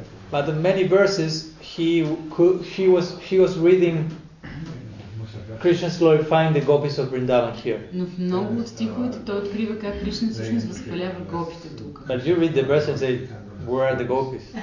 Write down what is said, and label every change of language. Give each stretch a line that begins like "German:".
English: But in many verses he was reading Krishna's glorifying the gopis of Vrindavan here.
Bulgarian: Но в много от стиховете той открива как Кришна всъщност възхвалява гопите тук.
English: But you read the verse and say, where are the gopis?